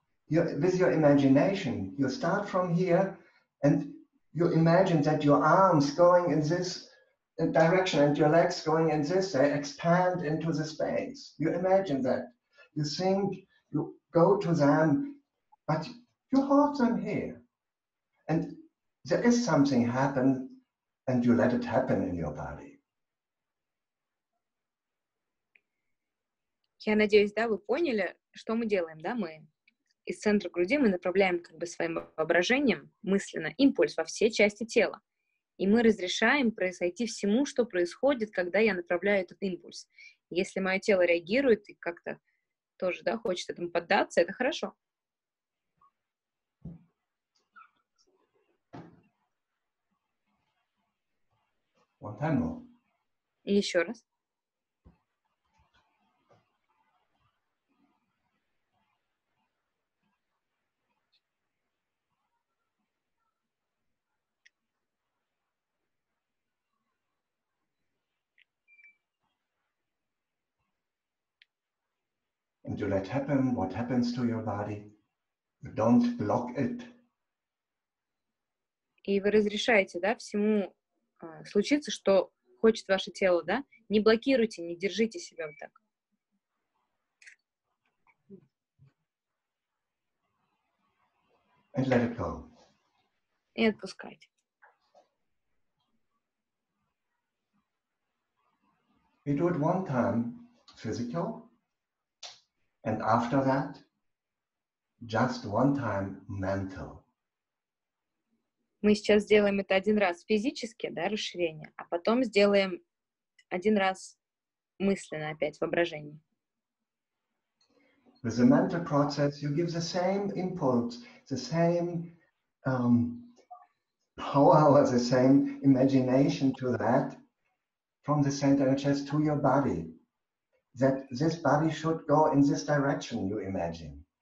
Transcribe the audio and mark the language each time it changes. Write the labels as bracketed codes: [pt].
[en] With your imagination, you start from here and you imagine that your arms going in this direction and your legs going in this, they expand into the space. You imagine that. You think, you go to them, but you hold them here. And there is something happen and you let it happen in your body. [ru] Я надеюсь, да, вы поняли, что мы делаем, да, мы из центра груди мы направляем как бы своим воображением мысленно импульс во все части тела, и мы разрешаем произойти всему, что происходит, когда я направляю этот импульс. Если мое тело реагирует и как-то тоже, да, хочет этому поддаться, это хорошо. [en] One time more. [ru] Еще раз. [en] And you let happen what happens to your body. You don't block it. [ru] И вы разрешаете, да, всему случиться, что хочет ваше тело, да? Не блокируйте, не держите себя вот так. [en] And let it go. [ru] И отпускайте. [en] We do it one time, physical. And after that, just one time mental. [ru] Мы сейчас сделаем это один раз физически, да, расширение, а потом сделаем один раз мысленно опять воображение. [en] With the mental process, you give the same impulse, the same power, the same imagination to that from the center of the chest to your body. That this body should go in this direction, you imagine.